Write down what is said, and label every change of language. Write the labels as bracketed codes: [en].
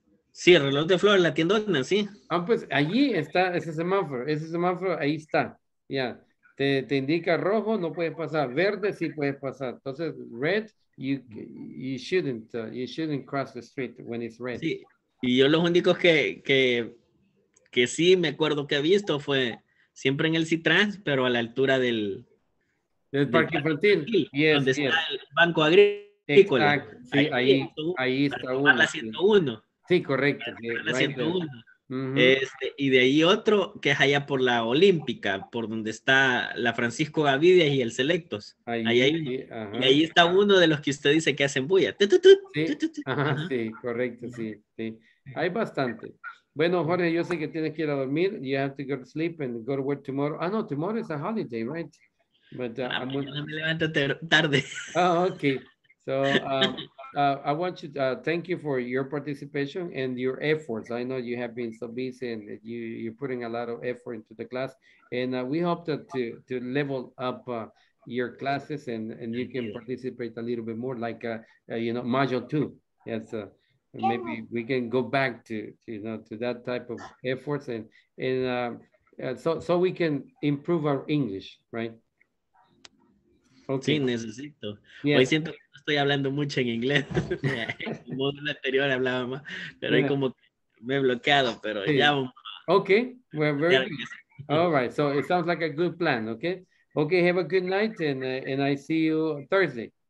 [es] Sí, el reloj de flores, la tiendona, sí. Ah, pues allí está ese semáforo, ahí está, ya. Yeah. Te indica rojo, no puedes pasar. Verde, sí puedes pasar. [en] Entonces, red, you shouldn't cross the street when it's red. [es] Sí, y yo los únicos que sí me acuerdo que he visto fue siempre en el Citrans, pero a la altura del parque infantil. Yes, donde está el banco agrícola. Exacto, sí, ahí está uno. La 101. Sí, correcto. Sí, la 101. Uh-huh. Y de ahí otro que es allá por la Olímpica, por donde está la Francisco Gavidia y el Selectos. Ahí hay uno. Sí, y ahí está uno de los que usted dice que hacen bulla. Sí, sí, correcto, sí, sí. Hay bastante. Bueno, Jorge, yo sé que tienes que ir a dormir. [en] You have to go to sleep and go to work tomorrow. Ah, no, tomorrow is a holiday, right? [es] But me levanto tarde. [en] Ah, okay. So I want you to thank you for your participation and your efforts. I know you have been so busy and you're putting a lot of effort into the class. And we hope to level up your classes and you can participate a little bit more, like, you know, module 2. Yes, maybe we can go back to that type of efforts and so we can improve our English, right? [es] Okay. Sí, necesito. Yes. Hoy siento que no estoy hablando mucho en inglés. En el módulo anterior hablaba más, pero hoy como que me he bloqueado, pero sí. Ya vamos. [en] Okay, we're very good. All right, so it sounds like a good plan, okay? Okay, have a good night, and I see you Thursday.